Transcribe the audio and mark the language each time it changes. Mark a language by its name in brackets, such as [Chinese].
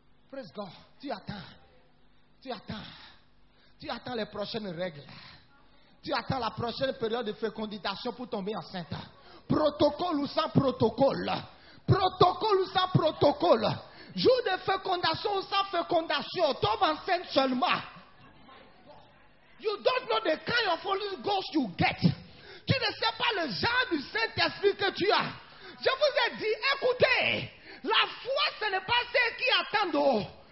[English] Praise God. [French] Tu attends. Tu attends. Tu attends les prochaines règles. Tu attends la prochaine période de fécondation pour tomber enceinte. Protocole ou sans protocole. Protocole ou sans protocole. Jour de fécondation ou sans fécondation, tombe enceinte seulement. [English] You don't know the kind of Holy Ghost you get. [French] Tu ne sais pas le genre du Saint-Esprit que tu as. Je vous ai dit, écoutez, la foi ce n'est pas ceux qui attendent.